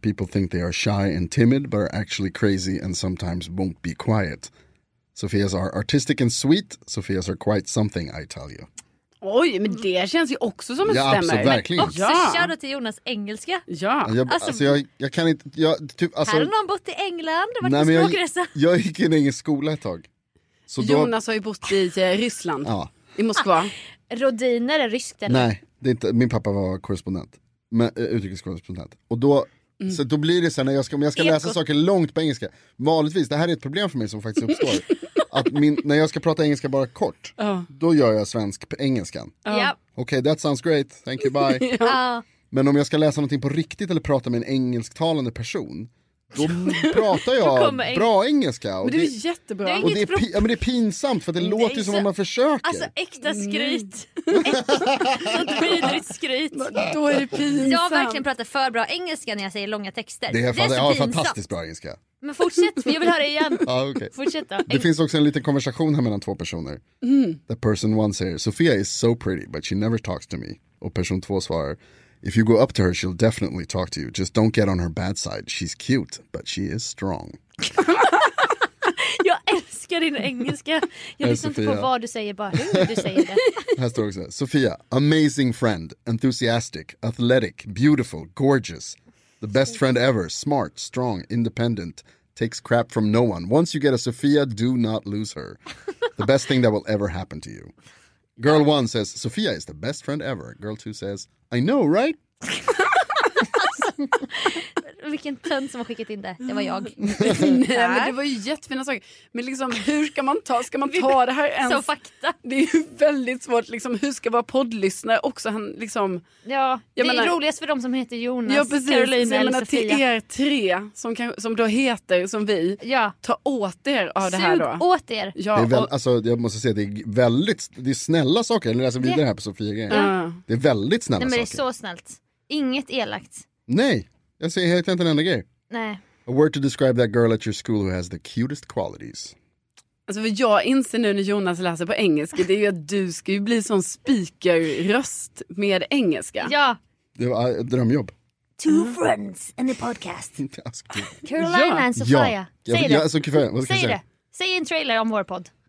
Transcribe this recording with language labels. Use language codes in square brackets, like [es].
[en] People think they are shy and timid, but are actually crazy and sometimes won't be quiet. Sofias are artistic and sweet. Sofias are quite something, I tell you. [sv] Oj, men det känns ju också som att stämmer. Ja, absolut, verkligen. Och så kör du till Jonas engelska. Ja. Jag kan inte... Här har någon bott i England. Nej, men jag gick in i en skola ett tag. Så Jonas har ju bott i Ryssland. Ja. I Moskva. Rodiner är ryskt, eller? Nej, det är inte, min pappa var korrespondent. Utrikeskorrespondent. Och då... Mm. Så då blir det så här, när jag ska läsa saker långt på engelska. Vanligtvis, det här är ett problem för mig som faktiskt uppstår. Att när jag ska prata engelska bara kort, då gör jag svensk på engelskan. [en] Okej, okay, that sounds great, thank you, bye. [sv] Men om jag ska läsa någonting på riktigt eller prata med en engelsktalande person, då pratar jag bra engelska. Och men det är jättebra. Och det är ja, men det är pinsamt, för det låter ju som om man försöker. Alltså äkta skryt. Vidrigt skryt. Då är det pinsamt. Jag verkligen pratar för bra engelska när jag säger långa texter. Det är fantastiskt bra engelska. Men fortsätt, jag vill höra igen. [en] Okay. [sv] Fortsätt då. Det finns också en liten konversation här mellan två personer. [en] The person one [sv] säger, [en] Sofia is so pretty, but she never talks to me. [sv] Och person två svarar, [en] if you go up to her, she'll definitely talk to you. Just don't get on her bad side. She's cute, but she is strong. [sv] Jag älskar din engelska. Jag lyssnar inte på vad du säger, bara hur du säger det. Här står också. [en] Sofia, amazing friend, enthusiastic, athletic, beautiful, gorgeous. The best friend ever, smart, strong, independent, takes crap from no one. Once you get a Sofia, do not lose her. The best thing that will ever happen to you. Girl one says, Sofia is the best friend ever. Girl two says, I know, right? [sv] Vilken tönt som har skickat in det. Det var jag. Nej, men det var ju jättefina saker. Men liksom, hur ska man ta? Ska man ta det här ens? Som fakta. Det är ju väldigt svårt. Liksom, hur ska vara poddlyssnare också? Han, liksom, ja, jag det menar, är roligast för dem som heter Jonas, ja, precis, Caroline eller menar, Sofia. Till er tre som då heter som vi. Ja. Ta åt er av det här då. Sug åt er. Ja, det är väl, alltså, jag måste säga att det är väldigt, det är snälla saker. Eller läser vidare här på Sofia grejen. Det är väldigt snälla saker. Nej, men det är saker. Så snällt. Inget elakt. Nej, jag säger helt enkelt en enda grej. Nej. [en] A word to describe that girl at your school who has the cutest qualities. [sv] Alltså, för jag inser nu när Jonas läser på engelska, det är ju att du ska ju bli sån speakerröst med engelska. Ja. Det var ett drömjobb. [en] Two friends in the podcast. [sv] Inte askligt. [en] Carolina and Sofia. [sv] Ja. Säg det. Säg en trailer om vår podd.